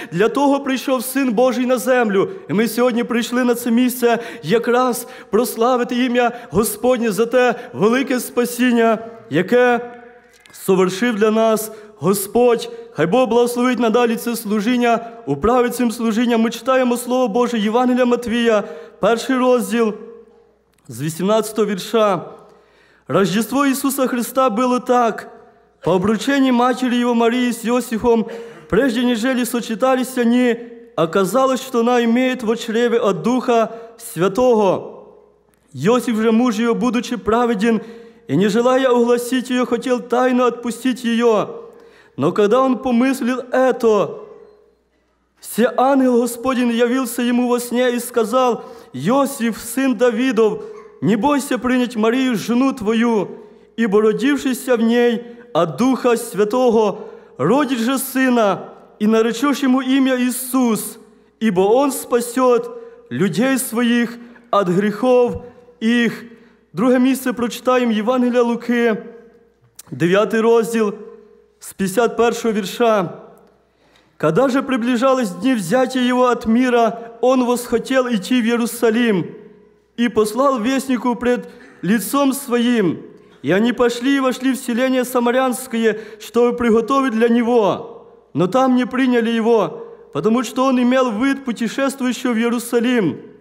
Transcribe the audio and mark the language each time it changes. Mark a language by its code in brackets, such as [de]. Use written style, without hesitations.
[uk] Для того прийшов Син Божий на землю. І ми сьогодні прийшли на це місце якраз прославити ім'я Господнє за те велике спасіння, яке совершив для нас Господь. Хай Бог благословить надалі це служіння, управить цим служінням. Ми читаємо Слово Боже, Євангелія Матвія, перший розділ з 18 вірша. Рождество Ісуса Христа було так. По обрученні матері Його Марії з Йосифом, [ru] прежде нежели сочетались они, оказалось, что она имеет в чреве от Духа Святого. Йосиф же, муж ее, будучи праведен, и не желая огласить ее, хотел тайно отпустить ее. Но когда он помыслил это, все ангел Господень явился ему во сне и сказал, «Йосиф, сын Давидов, не бойся принять Марию, жену твою, ибо родившийся в ней от Духа Святого, родит же сына, и наречешь ему имя Иисус, ибо он спасет людей своих от грехов их». [uk] Друге місце прочитаємо Євангелія Луки, 9 розділ, з 51 вірша. [ru] «Когда же приближались [uk] дні взяття його [ru] от мира, он восхотел идти в Єрусалим и послал вестнику пред лицом своим, и они пошли и вошли в селение Самарянское, чтобы приготовить для него, но там не приняли его, потому что он имел вид путешествующего в Єрусалим.